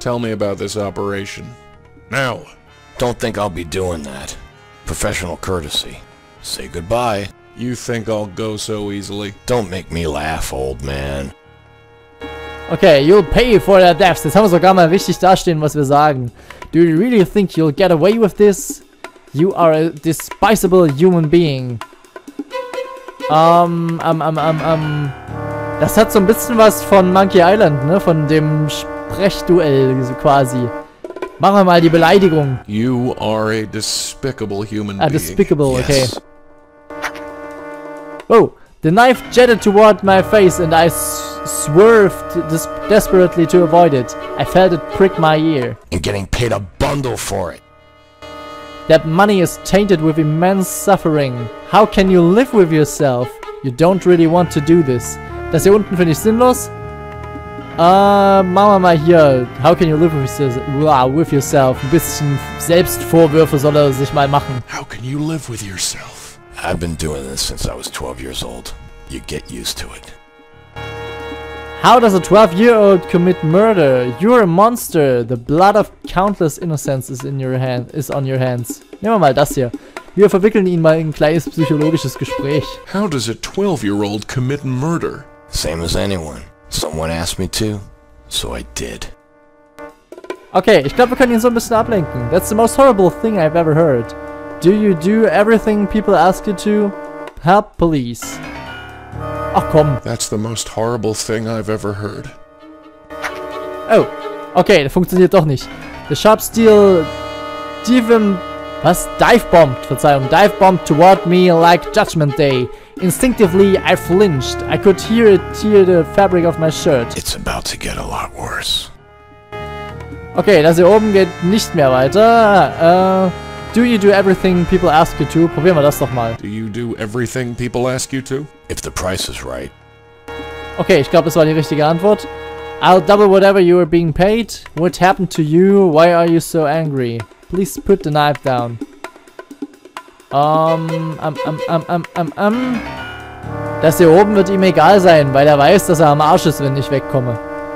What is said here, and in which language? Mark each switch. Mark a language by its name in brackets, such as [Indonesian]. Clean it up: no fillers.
[English] Tell me about this operation. Now. Don't think I'll be doing that. Professional courtesy. Say goodbye. You think I'll go so easily? Don't make me laugh, old man. Okay, you'll pay for their deaths. [German] Jetzt haben wir sogar mal richtig dastehen, was wir sagen. [English] Do you really think you'll get away with this? You are a despicable human being. [German] Das hat so ein bisschen was von Monkey Island, ne? Von dem Sprechduell quasi. Machen wir mal die Beleidigung. [English] You are a despicable human being. Despicable, okay. Oh, the knife jetted toward my face and I swerved desperately to avoid it. I felt it prick my ear. And getting paid a bundle for it. That money is tainted with immense suffering. How can you live with yourself? You don't really want to do this. [German] Das hier unten finde ich sinnlos. Machen wir mal hier. [English] How can you live with yourself? [German] Ein bisschen Selbstvorwürfe soll er sich mal machen. [English] How can you live with yourself? I've been doing this since I was 12 years old. You get used to it. How does a 12-year-old commit murder? You're a monster. The blood of countless innocents is on your hands. [German] Nehmen wir mal das hier. Wir verwickeln ihn mal in ein kleines psychologisches Gespräch. [English] How does a 12-year-old commit murder? Same as anyone. Someone asked me to, so I did. [German] Okay, ich glaube, wir können ihn so ein bisschen ablenken. [English] That's the most horrible thing I've ever heard. Do you do everything people ask you to? Help police. [German] Ach komm. [English] That's the most horrible thing I've ever heard. [German] Oh, okay, das funktioniert doch nicht. [English] The sharp steel... Dive bombed toward me like Judgment Day. Instinctively, I flinched. I could hear it tear the fabric of my shirt. It's about to get a lot worse. [German] Okay, das hier oben geht nicht mehr weiter. [English] Do you do everything people ask you to? [German] Probieren wir das doch mal. [English] Do you do everything people ask you to? If the price is right. [German] Okay, ich glaube, das war die richtige Antwort. [English] I'll double whatever you are being paid. What happened to you? Why are you so angry? Please put the knife down. [German] Das hier oben wird ihm egal sein, weil er weiß, dass er am Arsch ist, wenn ich wegkomme.